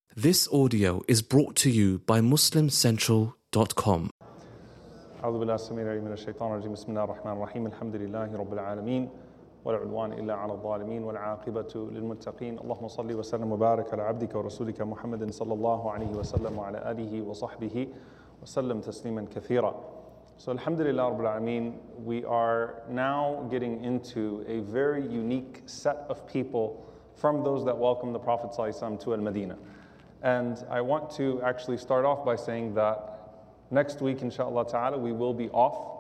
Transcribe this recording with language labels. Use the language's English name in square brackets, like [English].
[English] This audio is brought to you by MuslimCentral.com. [Arabic] أعوذ بالله السميع العليم من الشيطان الرجيم بسم الله الرحمن الرحيم الحمد لله رب العالمين ولا عدوان إلا على الظالمين والعاقبة للمتقين اللهم صل وسلم وبارك على عبدك ورسولك محمد صلى الله عليه وسلم وعلى آله وصحبه وسلم تسليما كثيرا. [English] So alhamdulillah rabbil alamin, we are now getting into a very unique set of people from those that welcomed the Prophet ﷺ to Al-Madinah. And I want to actually start off by saying that next week, inshallah ta'ala, we will be off.